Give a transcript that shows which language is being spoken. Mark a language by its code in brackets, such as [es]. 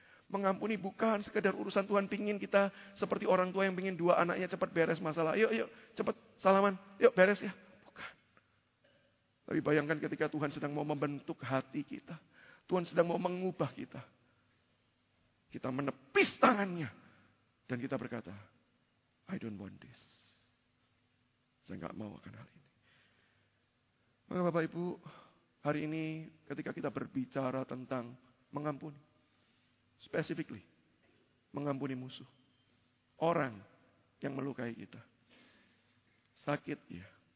[id] Mengampuni bukan sekedar urusan Tuhan pingin kita seperti orang tua yang pingin dua anaknya cepat beres masalah. Yuk, yuk, cepat salaman. Yuk, beres ya. Bukan. Tapi bayangkan ketika Tuhan sedang mau membentuk hati kita. Tuhan sedang mau mengubah kita. Kita menepis tangannya. Dan kita berkata, [en] I don't want this. [id] Saya gak mau akan hal ini. Maka Bapak Ibu, hari ini ketika kita berbicara tentang mengampuni, specifically, mengampuni musuh, orang yang melukai kita. Sakit, ya.